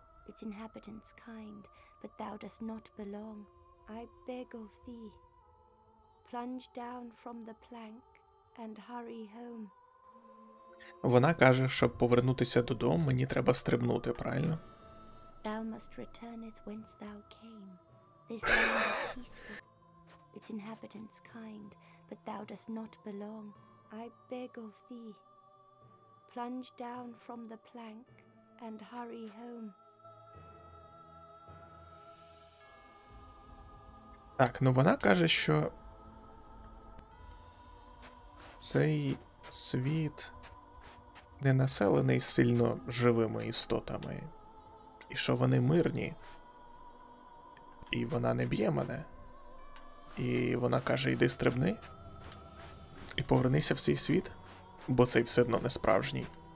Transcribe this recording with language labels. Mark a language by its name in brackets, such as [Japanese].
[English] its inhabitants kind, but thou dost not belong. I beg of thee, plunge down from the plank and hurry home. [Ukrainian] Вона каже, щоб повернутися додому, мені треба стрибнути, правильно? [English] Thou must returneth whence thou came. This land is peaceful, its inhabitants kind, but thou dost not belong. I beg of thee, plunge down from the plank and hurry home. [Ukrainian] Так, ну вона каже, що цей світ не населений сильно живими істотами, і що вони мирні, і вона не б'є мене, і вона каже, йди стрибни, і повернися в цей світ, бо цей все одно не справжній.